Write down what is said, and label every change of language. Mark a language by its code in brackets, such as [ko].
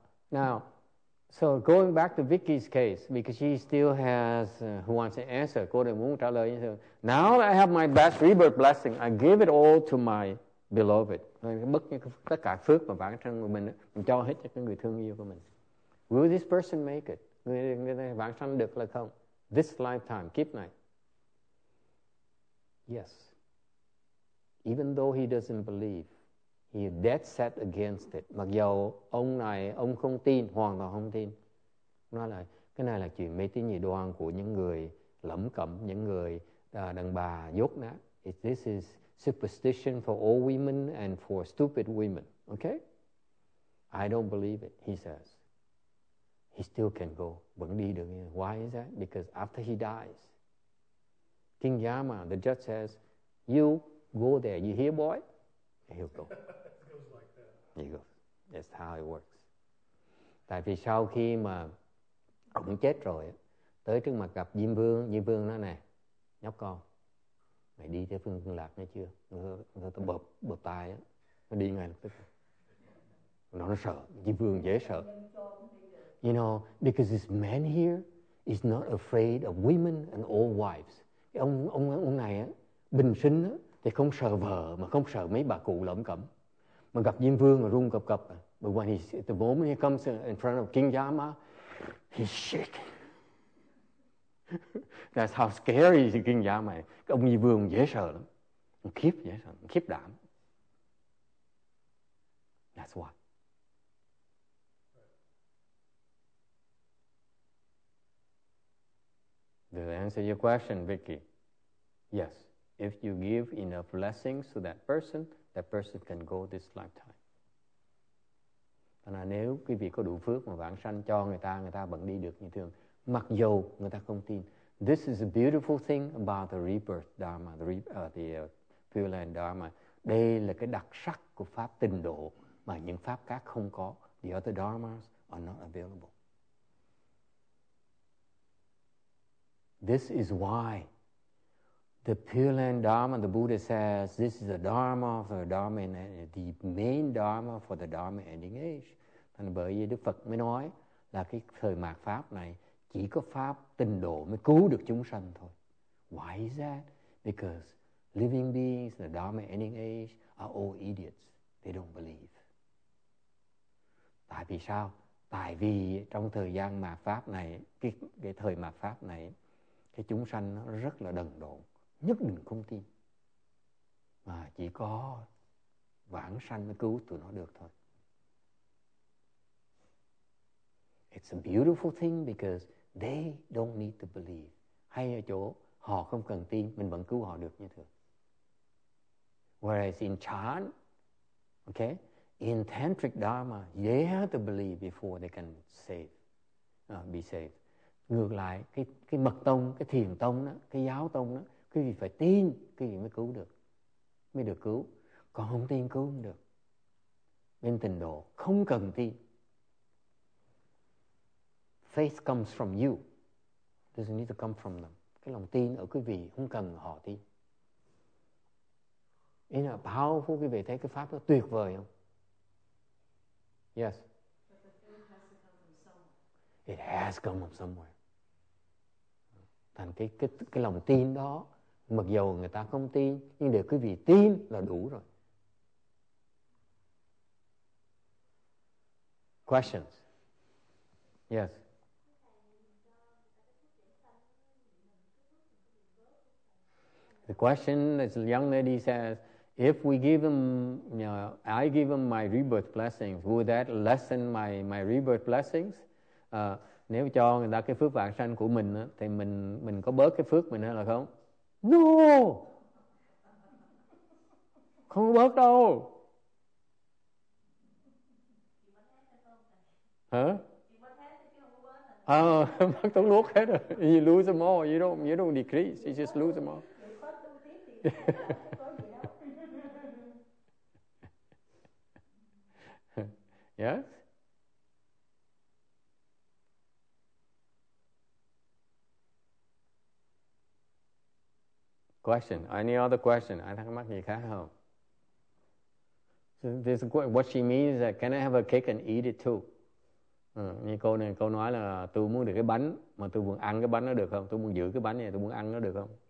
[en] Now, so going back to Vicky's case, because she still has, who wants to answer, [vi] cô đừng muốn trả lời. [en] Now that I have my best rebirth blessing, I give it all to my beloved, [vi] bất cứ tất cả phước mà bản thân của mình cho hết cho cái người thương yêu của mình. [en] Will this person make it? [vi] Người này bản thân được là không? [en] This lifetime, [vi] kiếp này. [en] Yes. Even though he doesn't believe, he is dead set against it. [vi] Mặc dù ông này ông không tin, hoàn toàn không tin. Nói là cái này là chuyện mê tín dị đoan của những người lẩm cẩm, những người đàn bà dốt nát. [en] This is superstition for all women and for stupid women. Okay? I don't believe it, he says. He still can go. [vi] Vẫn đi được. [en] Why is that? Because after he dies, King Yama, the judge says, you go there. You hear, boy? And he'll go. It goes like that. He goes. That's how it works. [vi] Tại vì sau khi mà ông chết rồi, tới trước mặt gặp Diêm Vương nói nè, nhóc con, mày đi tới phương Cực Lạc nghe chưa? Người ta bộp tai á, nó đi ngay lập tức. Nó sợ, Diêm Vương dễ sợ. [en] You know, because this man here is not afraid of women and old wives. [vi] Ông này á, bình sinh á, thì không sợ vợ mà không sợ mấy bà cụ lẩm cẩm. Mà gặp Diêm Vương mà run cập cập. [en] But when the moment he comes in front of King Yama, he's shaking. That's how scary the King Yama is. [vi] Cái ông Di Vương dễ sợ lắm. Ông khiếp dễ sợ, ông khiếp đảm. [en] That's why. Did I answer your question, Vicky? Yes. If you give enough blessings to that person can go this lifetime. [vi] Và là nếu quý vị có đủ phước mà vãng sanh cho người ta vẫn đi được như thường. Mặc dù người ta không tin. [en] This is a beautiful thing about the rebirth dharma, the Pure Land Dharma. [vi] Đây là cái đặc sắc của pháp tịnh độ mà những pháp khác không có. [en] The other dharmas are not available. This is why the Pure Land Dharma, the Buddha says, this is the dharma of the dharma, the main dharma for the dharma ending age. [vi] Thành bởi vì Đức Phật mới nói là cái thời mạt pháp này chỉ có pháp tịnh độ mới cứu được chúng sanh thôi. [en] Why is that? Because living beings, the dharma ending age, are all idiots. They don't believe. [vi] Tại vì sao? Tại vì trong thời gian mà pháp này, cái thời mà pháp này, cái chúng sanh nó rất là đần độn, nhất định không tin. Mà chỉ có vãng sanh mới cứu tụi nó được thôi. [en] It's a beautiful thing because they don't need to believe. [vi] Hay ở chỗ họ không cần tin, mình vẫn cứu họ được như thường. [en] Whereas in chan, okay, in tantric dharma, they have to believe before they can be saved. [vi] Ngược lại, cái mật tông, cái thiền tông đó, cái giáo tông đó, quý vị phải tin, quý vị mới cứu được, mới được cứu. Còn không tin cứu không được. Bên tịnh độ không cần tin. [en] faith comes from you. It doesn't need to come from them. [vi] Cái lòng tin ở quý vị không cần họ tin. [en] Isn't that powerful? [vi] Quý vị thấy cái pháp đó tuyệt vời không? [en] Yes. It has come from somewhere. [vi] Thành cái lòng tin đó, mặc dù người ta không tin, nhưng để quý vị tin là đủ rồi. [en] Questions? Yes. The question is, young lady says, if we give him, you know, I give him my rebirth blessings, would that lessen my rebirth blessings? [vi] Nếu cho người ta cái phước vạn sanh của mình á, thì mình có bớt cái phước mình hay là không? [en] No! [vi] Không có bớt đâu. [en] Hả? Huh? [vi] Bớt tốn nuốt hết rồi. [en] You lose them all. You don't decrease. You just lose them all. Yes? Question. Any other question? [vi] Ai thắc mắc gì khác không? [en] What she means is that can I have a cake and eat it too? [vi] Như cô này, cô nói là tôi muốn được cái bánh, mà tôi muốn ăn cái bánh nó được không? Tôi muốn giữ cái bánh này, tôi muốn ăn nó được không?